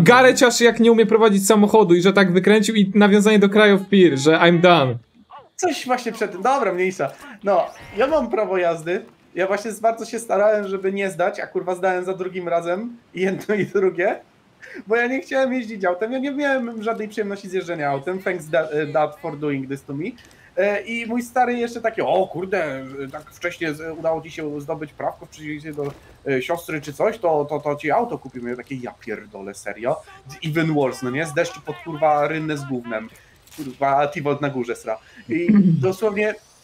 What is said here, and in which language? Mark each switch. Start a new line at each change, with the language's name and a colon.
Polish: Gareciarz jak nie umie prowadzić samochodu i że tak wykręcił i nawiązanie do Cry of Fear, że
English: I'm done.
Polish: coś właśnie przed tym. Dobra, mniejsza. No, ja mam prawo jazdy. Ja właśnie bardzo się starałem, żeby nie zdać, a kurwa zdałem za drugim razem jedno i drugie. Bo ja nie chciałem jeździć autem, ja nie miałem żadnej przyjemności z jeżdżenia autem.
English: Thanks dad for doing this to me.
Polish: I mój stary jeszcze taki, o kurde, tak wcześniej udało ci się zdobyć prawko w przeciwieństwie do siostry czy coś, to ci auto kupimy. Ja takie, ja pierdolę, serio?
English: Even worse,
Polish: no nie? Z deszczu pod kurwa rynnę z gównem. Kurwa, T-Volt na górze sra. I dosłownie...